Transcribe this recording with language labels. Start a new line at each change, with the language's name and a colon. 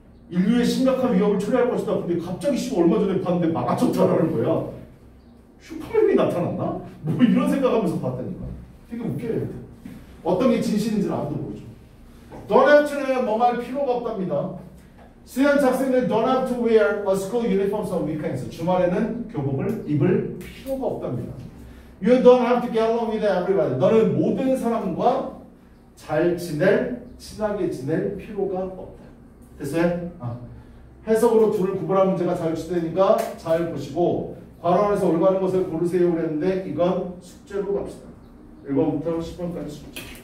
Korean: 인류의 심각한 위협을 초래할 것이다. 근데 갑자기 얼마 전에 봤는데 막아쳤다라는 거야. 슈퍼맨이 나타났나? 뭐 이런 생각하면서 봤다니까. 되게 웃겨요. 어떤 게 진실인지는 아무도 모르죠.
English: Don't have to
Korean: 뭐 말 필요가 없답니다. 수련자 학생들
English: Don't have to wear a school uniforms on weekends.
Korean: 주말에는 교복을 입을 필요가 없답니다.
English: You don't have to get along with everybody.
Korean: 너는 모든 사람과 잘 지낼, 친하게 지낼 필요가 없다. 됐어요? 해석으로 둘을 구분한 문제가 잘 출제되니까 잘 보시고 괄호 안에서 올바른 것을 고르세요 그랬는데 이건 숙제로 갑시다. 1번부터 10번까지 숙제.